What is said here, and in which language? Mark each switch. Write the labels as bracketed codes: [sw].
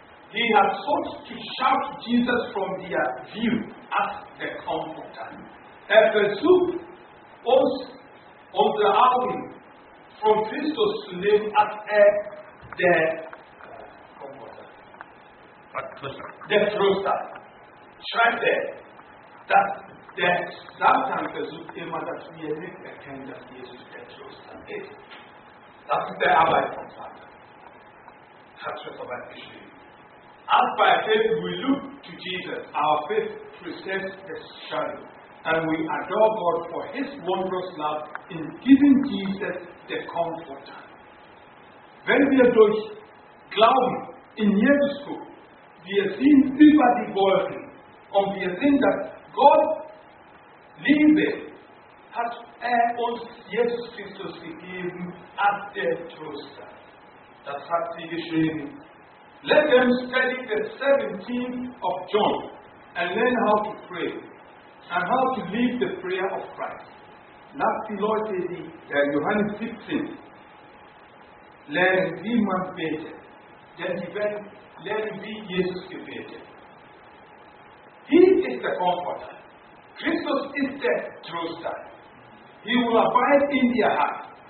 [en] He has sought to shout Jesus from their view as the comforter. [de] Er versucht uns unter Augen von Christus zu nehmen als er der Comforter. Der Tröster. Schreibt er, dass der Satan versucht immer, dass wir nicht erkennen, dass Jesus der Tröster ist. Das ist der Arbeit von Satan. Hat schon so weit geschrieben. [en] As by faith we look to Jesus, our faith presents a shadow, and we adore God for His wondrous love in giving Jesus the Comforter. [de] Wenn wir durch Glauben in Jesus kommen, wir sehen über die Wolken und wir sehen, dass Gott Liebe hat er uns Jesus Christus gegeben als der Tröster. Das hat sie geschrieben. [en] Let them study the 17th of John and learn how to pray and how to live the prayer of Christ. [de] Lass die Leute die Johannes 17 lernen, wie man betet. Denn sie werden lernen, wie Jesus gebetet. [en] He is the Comforter. [de] Christus ist der Tröster. [en] He will abide in their heart.